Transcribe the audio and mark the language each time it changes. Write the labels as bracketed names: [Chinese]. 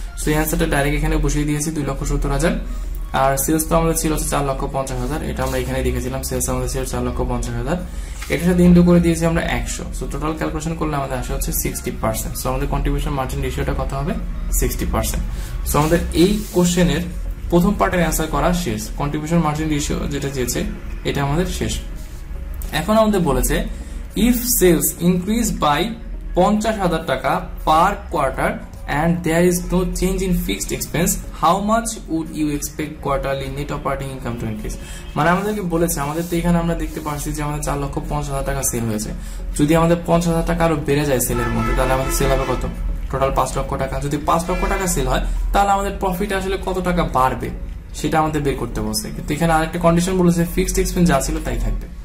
[Bangla] So এই অ্যান্সারটা direct এখানে বসিয়ে দিয়েছি 2,70,000, আর সেলস তো আমাদের ছিল 4,50,000, এটা আমরা এখানে দেখেছিলাম সেলস আমাদের ছিল 4,50,000, এটার সাথে ইন্টু করে দিয়েছি আমরা 100। সো টোটাল ক্যালকুলেশন করলে আমাদের আসে হচ্ছে 60%। সো আমাদের কন্ট্রিবিউশন মার্জিন রেশিওটা কত হবে? 60%। সো আমাদের এই কোশ্চেনের প্রথম পার্টের অ্যান্সার করা শেষ। কন্ট্রিবিউশন মার্জিন রেশিও যেটা দিয়েছে এটা আমাদের শেষ। এখন আমাদের বলেছে [English] If sales increase by 50,000 টাকা per quarter and there is no change in fixed expense, how much would you expect quarterly net operating income to increase? [Bangla] মানে আমাদেরকে বলেছে, আমাদের তো এখানে আমরা দেখতে পারছি যে আমাদের 4,50,000 টাকা সেল হয়েছে। যদি আমাদের 50,000 টাকা আরো বেড়ে যায় সেলের মধ্যে, তাহলে আমাদের সেল হবে কত? টোটাল 5,00,000 টাকা। যদি 5,00,000 টাকা সেল হয়, তাহলে আমাদের প্রফিট আসলে কত টাকা বাড়বে সেটা আমাদের বের করতে বসে। কিন্তু এখানে আরেকটা কন্ডিশন বলেছে ফিক্সড এক্সপেন্স যা ছিল তাই থাকবে।